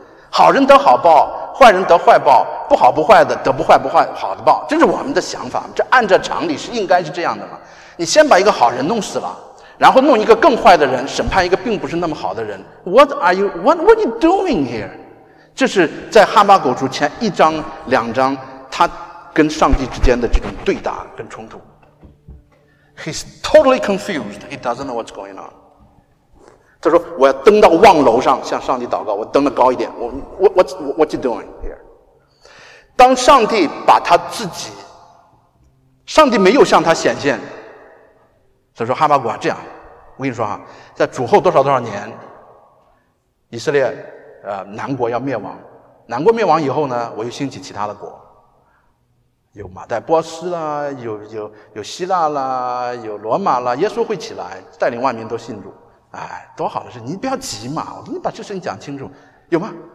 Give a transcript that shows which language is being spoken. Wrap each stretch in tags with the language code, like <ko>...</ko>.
<zh>好人得好报，坏人得坏报，不好不坏的得不坏不坏好的报，这是我们的想法，这按照常理是应该是这样的嘛。你先把一个好人弄死了，然后弄一个更坏的人审判一个并不是那么好的人。</zh> <en>What are you doing here?</en> <zh>这是在哈巴谷书前一章两章他跟上帝之间的这种对答跟冲突。</zh> <en>He's totally confused. He doesn't know what's going on.</en> <zh>他说我要登到望楼上向上帝祷告，我登得高一点。</zh> <en>What are you doing here?</en> <zh>当上帝把他自己上帝没有向他显现。所以说哈巴谷啊，这样我跟你说啊，在主后多少多少年，以色列南国要灭亡，南国灭亡以后呢，我又兴起其他的国，有马代波斯啦，有希腊啦，有罗马啦，耶稣会起来带领万民都信主，哎，多好的事，你不要急嘛，我给你把这事你讲清楚，有吗？</zh>